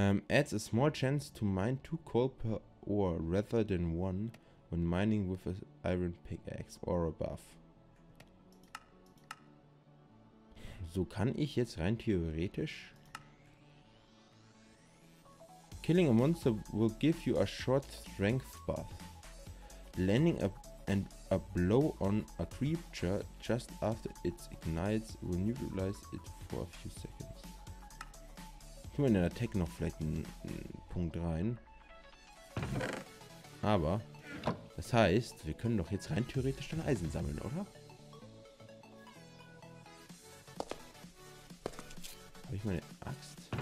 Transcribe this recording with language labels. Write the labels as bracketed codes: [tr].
[en] Adds a small chance to mine 2 coal per ore rather than 1. When mining with an iron pickaxe or a buff. [de] So kann ich jetzt rein theoretisch. [en] Killing a monster will give you a short strength buff. Landing a blow on a creature just after it ignites will neutralize it for a few seconds. [de] Ich mache in der Attack noch vielleicht einen Punkt rein. Aber. Das heißt, wir können doch jetzt rein theoretisch dann Eisen sammeln, oder? Habe ich meine Axt?